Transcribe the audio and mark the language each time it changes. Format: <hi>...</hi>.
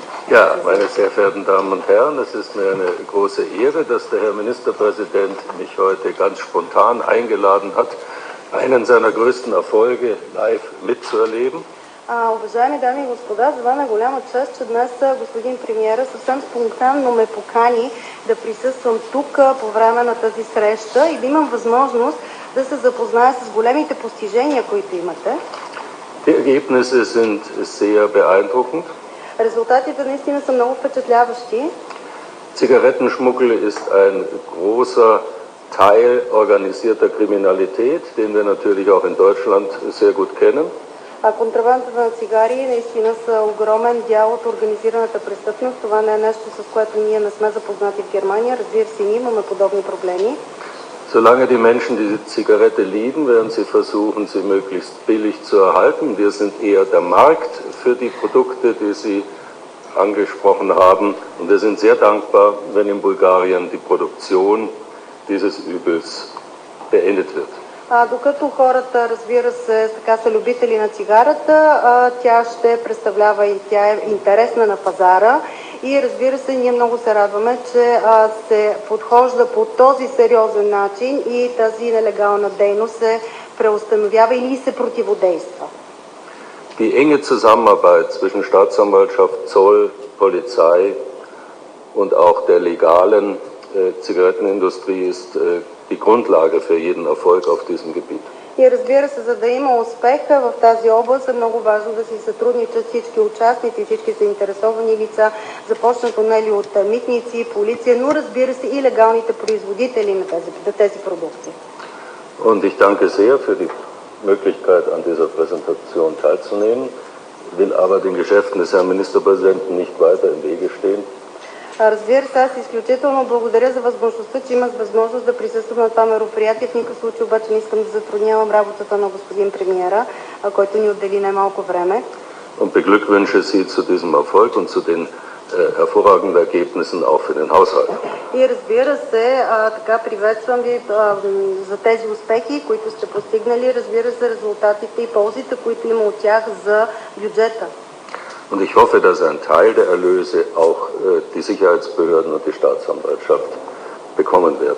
<de>Ja, meine sehr verehrten Damen und Herren, es ist mir eine große Ehre, dass der Herr Ministerpräsident mich heute ganz spontan eingeladen hat, einen seiner größten Erfolge live mitzuerleben.</de> <bg>Уважаеми дами и господа, за мен е голяма чест, че днес господин премиера съвсем спонтанно ме покани да присъствам тук по време на тази среща и да имам възможност да се запозная с големите постижения, които имате.</bg> <de>Die Ergebnisse sind sehr beeindruckend.</de> <bg>Резултатите наистина са много впечатляващи.</bg> <de>Zigarettenschmuggel ist ein großer Teil organisierter Kriminalität, den wir natürlich auch in Deutschland sehr gut kennen.</de> <bg>А контрабандата на цигари наистина са огромен дял от организираната престъпност. Това не е нещо, с което ние не сме запознати в Германия. Разбира се, ние имаме подобни проблеми.</bg> <de>Solange die Menschen die Zigarette lieben, werden sie versuchen, sie möglichst billig zu erhalten. Wir sind eher der Markt für die Produkte, die sie angesprochen haben. Und wir sind sehr dankbar, wenn in Bulgarien die Produktion dieses Übels beendet wird.</de> <bg>Докато хората, разбира се, така са любители на цигарата, тя ще представлява и тя е интересна на пазара. И разбира се, ние много се радваме, че се подхожда по този сериозен начин и тази нелегална дейност се преустановява или се противодейства.</bg> <de>Die enge Zusammenarbeit zwischen Staatsanwaltschaft, Zoll, Polizei und auch der legalen Zigarettenindustrie ist die Grundlage für jeden Erfolg auf diesem Gebiet.</de> <bg>И разбира се, за да има успех в тази област, е много важно да си сътрудничат всички участници, всички заинтересовани лица, започнато нали от митници, полиция, но разбира се и легалните производители на тези продукти.</bg> <de>Und ich danke sehr für die Möglichkeit, an dieser Präsentation teilzunehmen, will aber den Geschäften des Herrn Ministerpräsidenten nicht weiter im Wege stehen.</de> <bg>Разбира се, аз изключително благодаря за възможността, че имах възможност да присъствам на това мероприятие. В никакъв случай обаче не искам да затруднявам работата на господин премиера, който ни отдели най-малко време.</bg> <de>Und beglückwünsche Sie zu diesem Erfolg und zu den hervorragenden Ergebnissen auch für den Haushalt.</de> <bg>И разбира се, така приветствам ви за тези успехи, които сте постигнали, разбира се, резултатите и ползите, които има от тях за бюджета.</bg> <de>Und ich hoffe, dass ein Teil der Erlöse auch die Sicherheitsbehörden und die Staatsanwaltschaft bekommen werden.</de>